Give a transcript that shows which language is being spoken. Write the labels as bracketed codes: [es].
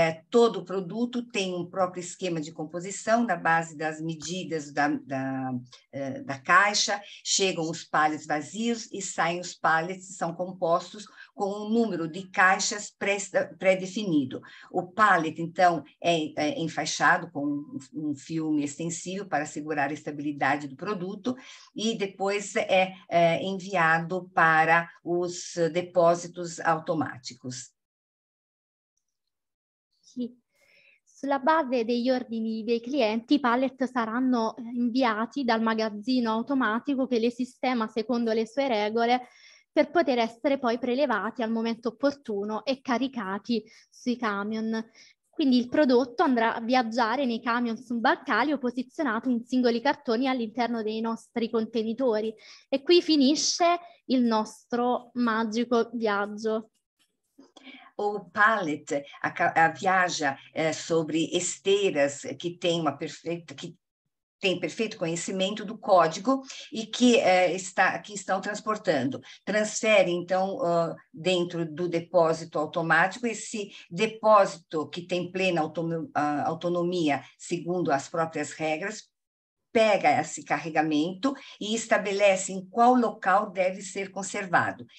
[pt] Todo produto tem um próprio esquema de composição na base das medidas da caixa, chegam os pallets vazios e saem os pallets, são compostos com um número de caixas pré-definido. O pallet, então, é enfaixado com um filme extensível para assegurar a estabilidade do produto e depois é enviado para os depósitos automáticos. [it] Sulla base degli ordini dei clienti, i pallet saranno inviati dal magazzino automatico che li sistema secondo le sue regole per poter essere poi prelevati al momento opportuno e caricati sui camion. Quindi il prodotto andrà a viaggiare nei camion subalcali o posizionato in singoli cartoni all'interno dei nostri contenitori. E qui finisce il nostro magico viaggio. [pt] O pallet viaja sobre esteiras que tem uma perfeita, que tem perfeito conhecimento do código e que estão transportando. Transfere, então, dentro do depósito automático, esse depósito que tem plena autonomia, segundo as próprias regras, pega esse carregamento e estabelece em qual local deve ser conservado.